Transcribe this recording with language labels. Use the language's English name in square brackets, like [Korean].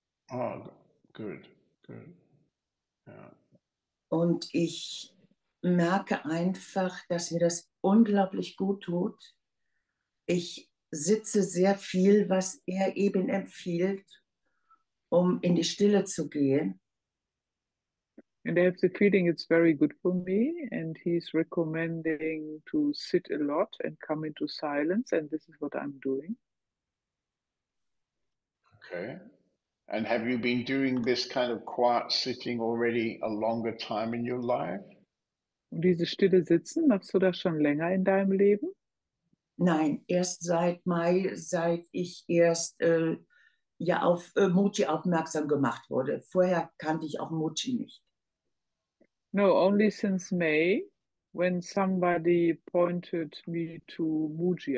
[English] Oh, good. Good. Yeah. [German] Und ich merke einfach, dass mir das unglaublich gut tut. Ich sitze sehr viel, was er eben empfiehlt, um in die Stille zu gehen. [English] And I have the feeling it's very good for me, and he's recommending to sit a lot and come into silence, and this is what I'm doing. Okay. And have you been doing this kind of quiet sitting already a longer time in your life? [German] Und diese stille Sitzen, machst du das schon länger in deinem Leben? Nein, erst seit Mai, seit ich erst ja auf Mochi aufmerksam gemacht wurde. Vorher kannte ich auch Mochi nicht. [English] No, only since May, when somebody pointed me to Mochi.